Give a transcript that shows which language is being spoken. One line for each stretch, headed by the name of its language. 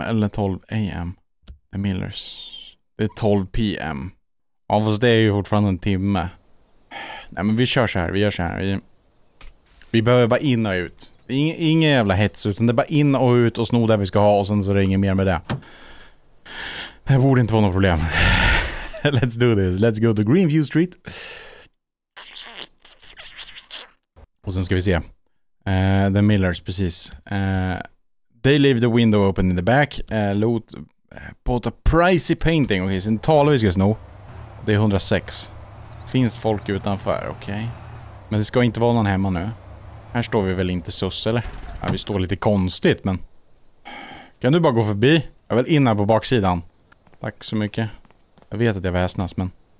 Swedish: eller 12 a.m.? The Millers. Det är 12 p.m. Ja, fast det är ju fortfarande en timme. Nej, men vi kör så här. Vi gör så här. Vi behöver bara in och ut. Ingen jävla hets, utan det är bara in och ut och sno där vi ska ha. Och sen så är det ingen mer med det. Det borde inte vara något problem.
English: Let's do this. Let's go to Greenview Street.
Swedish: Och sen ska vi se.
English: The Millers,
Swedish: precis.
English: They leave the window open in the back. Loot bought a pricey painting.
Swedish: Okej, okay, sen talar vi ska sno. Det är 106. Finns folk utanför, okej. Okay. Men det ska inte vara någon hemma nu. Här står vi väl inte sus, eller? Ja, vi står lite konstigt, men... Kan du bara gå förbi? Jag vill in här på baksidan. Tack så mycket. Jag vet att jag väsnas, men...